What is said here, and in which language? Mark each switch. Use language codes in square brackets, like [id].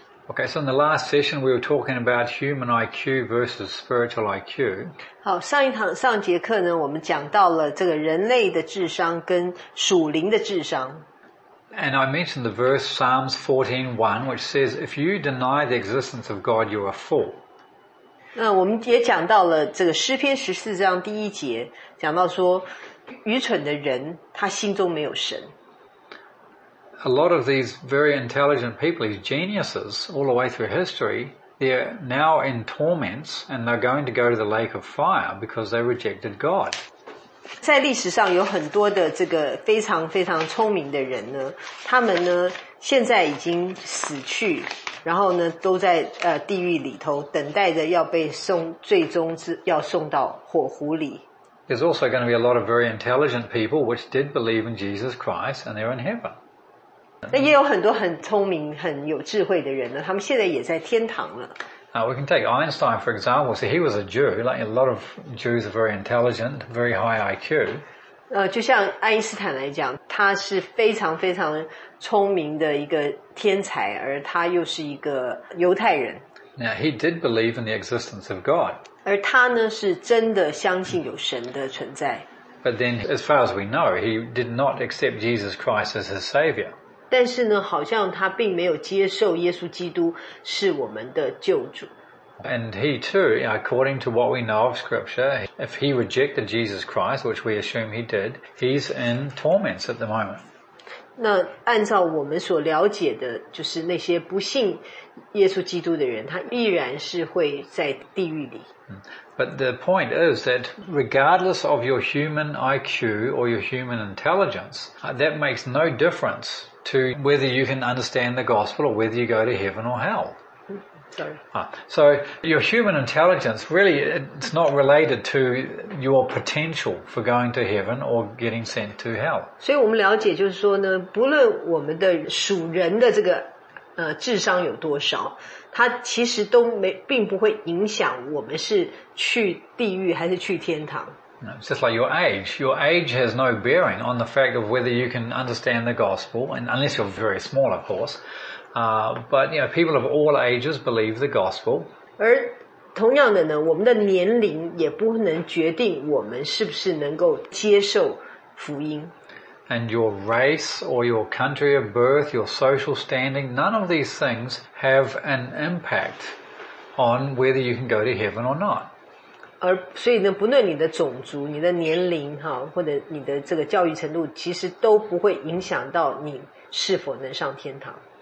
[en] Okay, so in the last session, we were talking about human IQ versus spiritual IQ. [zh] 好，上一堂上节课呢，我们讲到了这个人类的智商跟属灵的智商。 [en] And I mentioned the verse Psalms 14:1, which says, "If you deny the existence of God, you are a fool." [zh] 那我们也讲到了这个诗篇十四章第一节，讲到说，愚蠢的人他心中没有神。 [en] A lot of these very intelligent people, these geniuses, all the way through history, they're now in torments and they're going to go to the lake of fire because they rejected God. [zh] 在历史上有很多的这个非常非常聪明的人呢，他们呢现在已经死去，然后呢都在地狱里头等待着要被送，最终要送到火湖里。 [en] There's also going to be a lot of very intelligent people which did believe in Jesus Christ and they're in heaven. [zh] 那也有很多很聪明、很有智慧的人呢，他们现在也在天堂了。 [en] We can take Einstein for example. So he was a Jew. Like a lot of Jews are very intelligent, very high IQ. [zh] 就像爱因斯坦来讲，他是非常非常聪明的一个天才，而他又是一个犹太人。 [en] Now he did believe in the existence of God. [zh] 而他呢，是真的相信有神的存在。 [en] But then, as far as we know, he did not accept Jesus Christ as his savior. [zh] 但是呢，好像他并没有接受耶稣基督是我们的救主。 [en] And he too, according to what we know of Scripture, if he rejected Jesus Christ, which we assume he did, he's in torments at the moment. [zh] 那按照我们所了解的，就是那些不信耶稣基督的人，他依然是会在地狱里。 [en] But the point is that regardless of your human IQ or your human intelligence, that makes no difference. To whether you can understand the gospel or whether you go to heaven or hell. Sorry. So your human intelligence really, it's not related to your potential for going to heaven or getting sent to hell. [zh] 所以我们了解就是说呢，不论我们的属人的这个智商有多少，它其实都没并不会影响我们是去地狱还是去天堂。 [en] It's just like your age. Your age has no bearing on the fact of whether you can understand the gospel, and unless you're very small, of course. But you know, people of all ages believe the gospel. [zh] 而同样的呢，我们的年龄也不能决定我们是不是能够接受福音。 [en] And your race or your country of birth, your social standing, none of these things have an impact on whether you can go to heaven or not. [zh] 而所以呢，不论你的种族、你的年龄哈，或者你的这个教育程度，其实都不会影响到你是否能上天堂。